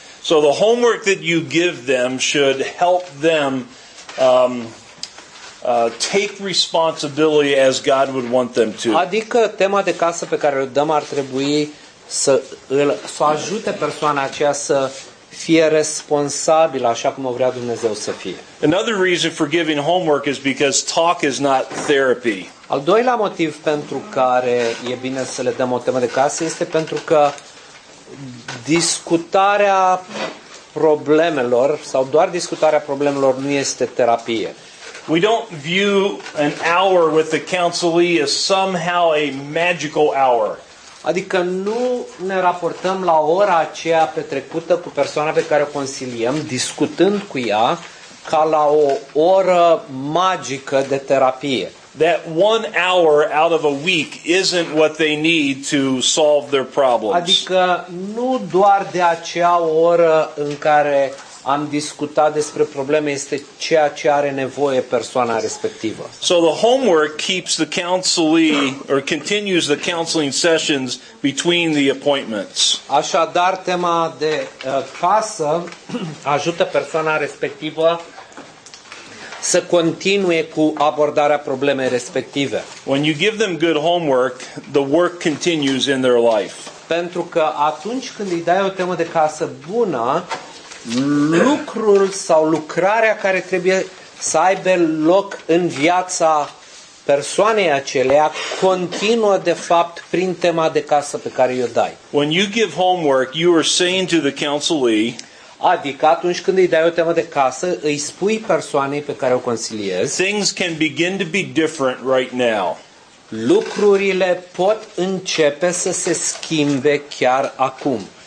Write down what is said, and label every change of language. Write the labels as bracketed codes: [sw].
[en] So the homework that you give them should help them take responsibility as God would want them to. [ro] Adică tema de casă pe care o dăm ar trebui să ajute persoana aceea să fie responsabil așa cum o vrea Dumnezeu să fie. [en] Another reason for giving homework is because talk is not therapy. [ro] Al doilea motiv pentru care e bine să le dăm o temă de casă este pentru că discutarea problemelor sau doar discutarea problemelor nu este terapie. [en] We don't view an hour with the counselee as somehow a magical hour. [ro] Adică nu ne raportăm la ora aceea petrecută cu persoana pe care o consiliem, discutând cu ea, ca la o oră magică de terapie. [en] That one hour out of a week isn't what they need to solve their problems. [ro] Adică nu doar de acea oră în care am discutat despre probleme este ceea ce are nevoie persoana respectivă. [en] So the homework keeps the counselee or continues the counseling sessions between the appointments. [ro] Așadar, tema de casă ajută persoana respectivă să continue cu abordarea problemei respective. [en] When you give them good homework, the work continues in their life. [ro] Pentru că atunci când îi dai o temă de casă bună, lucrul sau lucrarea care trebuie să aibă loc în viața persoanei acelea continuă de fapt prin tema de casă pe care i-o dai. [en] When you give homework, you are saying to the counselee, [ro] adică atunci când îi dai o temă de casă, îi spui persoanei pe care o consiliezi, [en] things can begin to be different right now. [ro] Lucrurile pot începe să se schimbe chiar acum.